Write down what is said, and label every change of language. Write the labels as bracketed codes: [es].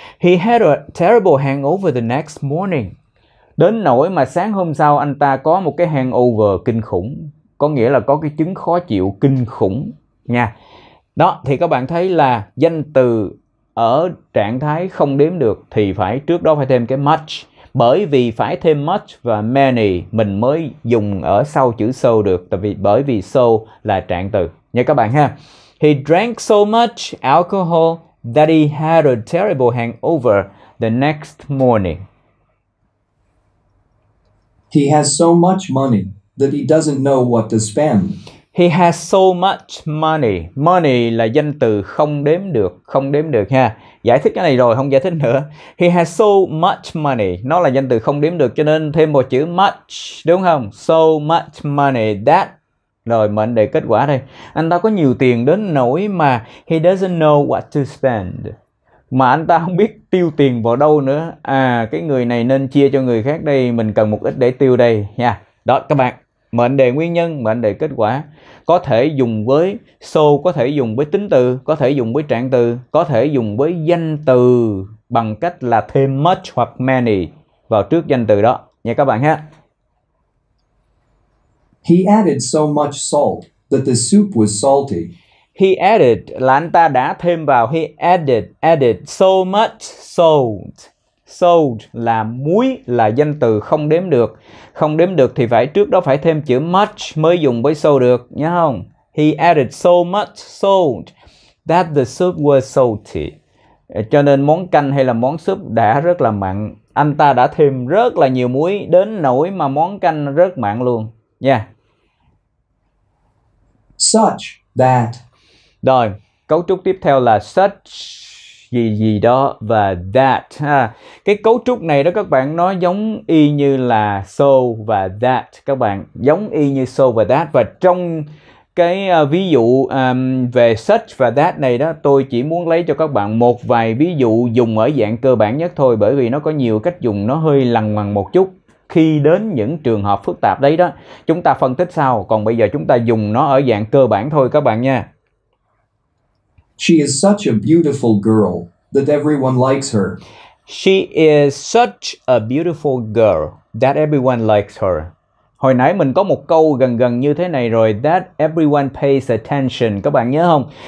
[en] He had a terrible hangover the next morning. [vi] Đến nỗi mà sáng hôm sau anh ta có một cái hangover kinh khủng, có nghĩa là có cái chứng khó chịu kinh khủng nha. Đó, thì các bạn thấy là danh từ ở trạng thái không đếm được thì phải trước đó phải thêm cái much. Bởi vì phải thêm much và many mình mới dùng ở sau chữ so được. Bởi vì so là trạng từ. Nha các bạn ha. [en] He drank so much alcohol that he had a terrible hangover the next morning. He has so much money that he doesn't know what to spend. He has so much money. [vi] Money là danh từ không đếm được. Không đếm được ha. Giải thích cái này rồi, không giải thích nữa. [en] He has so much money. [vi] Nó là danh từ không đếm được, cho nên thêm một chữ much, đúng không? [en] So much money that. [vi] Rồi, mệnh đề kết quả đây. Anh ta có nhiều tiền đến nỗi mà [en] he doesn't know what to spend. [vi] Mà anh ta không biết tiêu tiền vào đâu nữa. À, cái người này nên chia cho người khác đây. Mình cần một ít để tiêu đây nha. Đó, các bạn. Mệnh đề nguyên nhân, mệnh đề kết quả. Có thể dùng với so, có thể dùng với tính từ, có thể dùng với trạng từ, có thể dùng với danh từ bằng cách là thêm much hoặc many vào trước danh từ đó nha các bạn ha. [en] He added so much salt that the soup was salty. He added [vi] là anh ta đã thêm vào. [en] He added so much salt. [vi] Salt là muối, là danh từ không đếm được. Không đếm được thì phải trước đó phải thêm chữ much mới dùng với so được, nhớ không? [en] He added so much salt that the soup was salty. [vi] Cho nên món canh hay là món súp đã rất là mặn. Anh ta đã thêm rất là nhiều muối đến nỗi mà món canh rất mặn luôn nha. [en] Such that. [vi] Rồi, cấu trúc tiếp theo là such gì gì đó và that ha. Cái cấu trúc này đó các bạn, nó giống y như là so và that các bạn, giống y như so và that. Và trong cái ví dụ về such và that này đó, tôi chỉ muốn lấy cho các bạn một vài ví dụ dùng ở dạng cơ bản nhất thôi, bởi vì nó có nhiều cách dùng, nó hơi lằng ngoằng một chút khi đến những trường hợp phức tạp đấy đó, chúng ta phân tích sau. Còn bây giờ chúng ta dùng nó ở dạng cơ bản thôi các bạn nha. [en] She is such a beautiful girl that everyone likes her. She is such a beautiful girl that everyone likes her. [vi] Hồi nãy mình có một câu gần gần như thế này rồi, [en] that everyone pays attention, [vi] các bạn nhớ không?